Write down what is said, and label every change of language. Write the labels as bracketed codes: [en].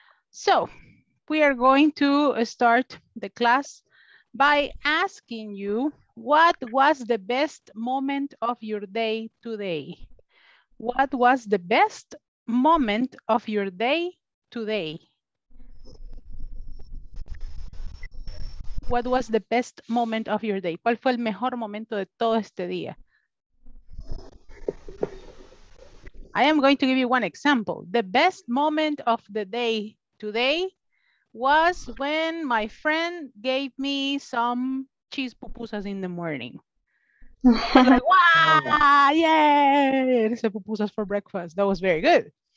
[en] So we are going to start the class by asking you, what was the best moment of your day today? What was the best moment of your day today? What was the best moment of your day? [es] ¿Cuál fue el mejor momento de todo este día? [en] I am going to give you one example. The best moment of the day today was when my friend gave me some cheese pupusas in the morning. Yay! It's a pupusas for breakfast. That was very good.